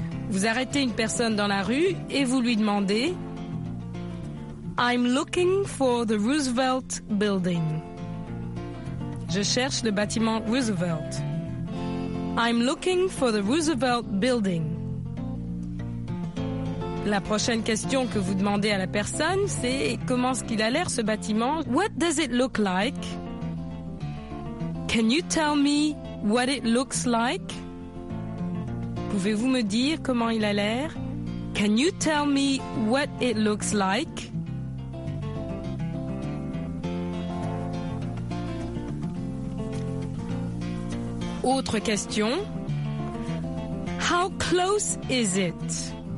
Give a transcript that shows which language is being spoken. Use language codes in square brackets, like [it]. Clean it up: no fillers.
[fr] Vous arrêtez une personne dans la rue et vous lui demandez « [en] I'm looking for the Roosevelt Building ». [fr] Je cherche le bâtiment Roosevelt. [en] I'm looking for the Roosevelt Building. [fr] La prochaine question que vous demandez à la personne, c'est comment est-ce qu'il a l'air ce bâtiment? [en] What does it look like? Can you tell me what it looks like? [fr] Pouvez-vous me dire comment il a l'air? [en] Can you tell me what it looks like? [fr] Autre question. [en] How close is it?